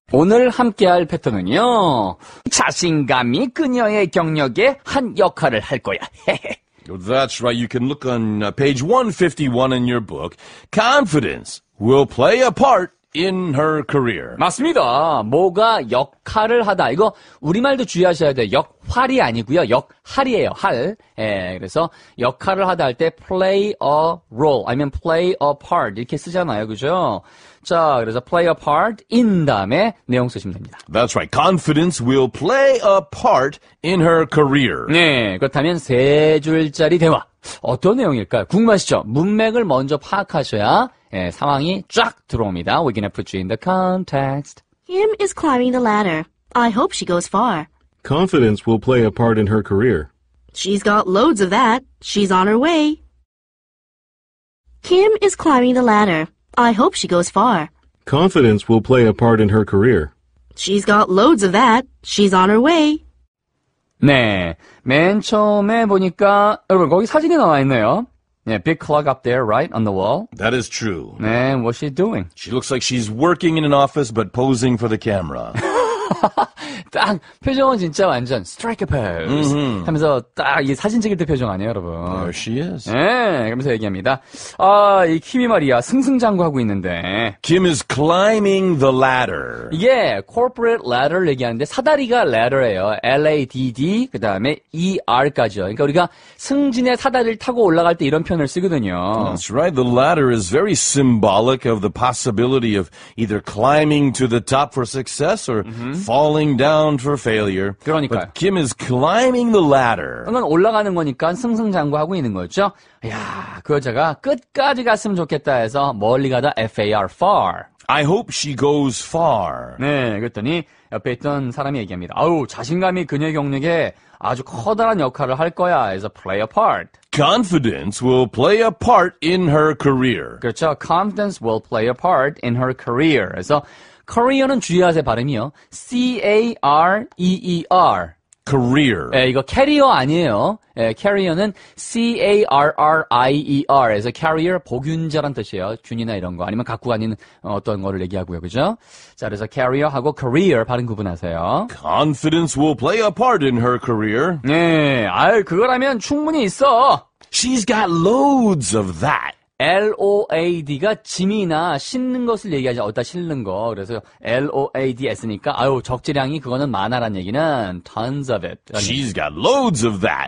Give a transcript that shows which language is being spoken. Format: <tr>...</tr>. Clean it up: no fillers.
<ko>오늘 함께할 패턴은요, 자신감이 그녀의 경력에 한 역할을 할 거야.</ko> <en>That's right. You can look on page 151 in your book. Confidence will play a part in her career.</en> <ko>맞습니다. 뭐가 역할을 하다. 이거 우리말도 주의하셔야 돼요. 역할이 아니고요. 역할이에요. 할. 예, 그래서 역할을 하다 할 때</ko> <en>play a role, I mean play a part</en> <ko>이렇게 쓰잖아요. 그죠? 자, 그래서</ko> <en>play a part in</en> <ko>다음에 내용 쓰시면 됩니다.</ko> <en>That's right. Confidence will play a part in her career.</en> <ko>네, 그렇다면 세 줄짜리 대화. 어떤 내용일까요? 궁금하시죠? 문맥을 먼저 파악하셔야 예, 상황이 쫙 들어옵니다.</ko> <en>We're gonna put you in the context. Kim is climbing the ladder. I hope she goes far. Confidence will play a part in her career. She's got loads of that. She's on her way. Kim is climbing the ladder. I hope she goes far. Confidence will play a part in her career. She's got loads of that. She's on her way.</en> <ko>네, 맨 처음에 보니까 여러분 거기 사진이 나와 있네요.</ko> <en>Yeah, big clock up there, right, on the wall? That is true. And what's she doing? She looks like she's working in an office, but posing for the camera.</en> <ko>딱 표정은 진짜 완전</ko> <en>strike a pose</en> <ko>mm-hmm. 하면서 딱 이 사진 찍을 때 표정 아니에요, 여러분?</ko> <en>There she is.</en> <ko>네, 그러면서 얘기합니다. 아, 이 킴이 말이야, 승승장구하고 있는데.</ko> <en>Kim is climbing the ladder.</en> <ko>예, corporate ladder 얘기하는데 사다리가 ladder예요. L-A-D-D, 그다음에 E-R까지요. 그러니까 우리가 승진의 사다리를 타고 올라갈 때 이런 표현을 쓰거든요.</ko> <en>That's right. The ladder is very symbolic of the possibility of either climbing to the top for success or falling down for failure.</en> <ko>그러니까요.</ko> <en>But Kim is climbing the ladder.</en> <ko>그건 올라가는 거니까 승승장구하고 있는 거죠. 야, 그 여자가 끝까지 갔으면 좋겠다 해서 멀리 가다 far, far.</ko> <en>I hope she goes far.</en> <ko>네, 그랬더니 옆에 있던 사람이 얘기합니다. 아우, 자신감이 그녀의 경력에 아주 커다란 역할을 할 거야 해서</ko> <en>play a part. Confidence will play a part in her career.</en> <ko>그렇죠.</ko> <en>Confidence will play a part in her career.</en> <ko>그래서 Career는 주의하세요, 발음이요.</ko> <en>C-A-R-E-E-R. Career.</en> <ko>예, 이거 carrier 아니에요. 예, carrier는 C-A-R-R-I-E-R. 그래서 carrier, 보균자란 뜻이에요. 균이나 이런 거. 아니면 갖고 다니는 어떤 거를 얘기하고요. 그죠? 자, 그래서 carrier하고 career 발음 구분하세요.</ko> <en>Confidence will play a part in her career.</en> <ko>예, 아유, 그거라면 충분히 있어.</ko> <en>She's got loads of that.</en> <ko>LOAD가 짐이나 싣는 것을 얘기하지 어디다 싣는 거 그래서 LOAD 했으니까 아유 적재량이 그거는 많아란 얘기는</ko> <en>tons of it. She's got loads of that.</en>